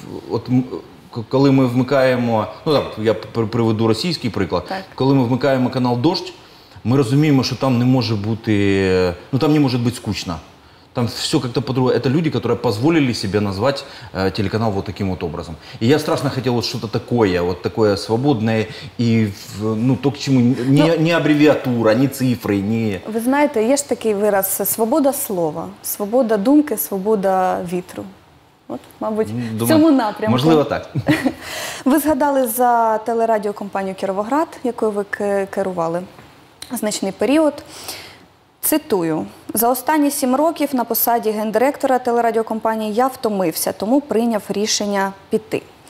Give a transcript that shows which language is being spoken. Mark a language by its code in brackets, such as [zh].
[uk] От коли ми вмикаємо, я приведу російський приклад. Так. Коли ми вмикаємо канал «Дощ», ми розуміємо, що там не може бути, там не може бути скучно. [ru] Там все как-то по-другому. Это люди, которые позволили себе назвать телеканал вот таким вот образом. И я страшно хотел что-то такое свободное и то, к чему не аббревиатура, не цифры, не... Вы знаете, есть такой выраз – свобода слова, свобода думки, свобода ветру. [uk] Вот, мабуть, в цьому напрямку. Можливо, так. Ви згадали за телерадіокомпанію «Кіровоград», якою ви керували значний період. Цитую. «За останні 7 років на посаді гендиректора телерадіокомпанії я втомився, тому прийняв рішення піти».